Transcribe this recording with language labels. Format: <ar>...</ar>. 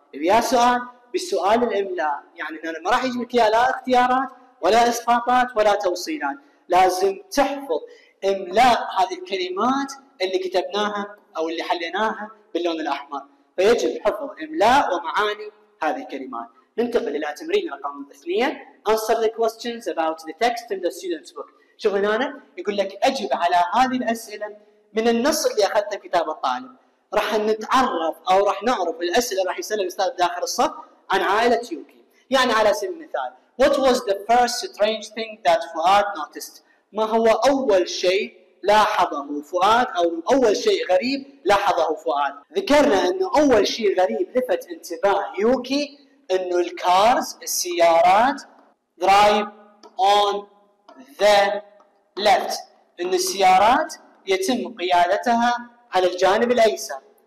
<ar>يا سؤال بالسؤال الإملاء، يعني أنا ما راح يجيبك يا لا اختيارات ولا إسقاطات ولا توصيلات. لازم تحفظ إملاء هذه الكلمات اللي كتبناها أو اللي حليناها باللون الأحمر. فيجب حفظ إملاء ومعاني هذه الكلمات. ننتقل إلى تمرين رقم 2.</ar> <en>Answer the questions about the text in the student's book.</en> <ar>شوف هنا أنا يقول لك أجب على هذه الأسئلة من النص اللي أخذته كتاب الطالب. راح نتعرف أو راح نعرف الأسئلة راح يسأل الأستاذ داخل الصف عن عائلة يوكي. يعني على سبيل المثال</ar> <en>What was the first strange thing that Fuad noticed؟</en> <ar>ما هو أول شيء لاحظه فؤاد أو أول شيء غريب لاحظه فؤاد؟ ذكرنا أنه أول شيء غريب لفت انتباه يوكي أنه الكارز السيارات</ar> <en>drive on the left،</en> <ar>أن السيارات يتم قيادتها على الجانب الأيسر.</ar>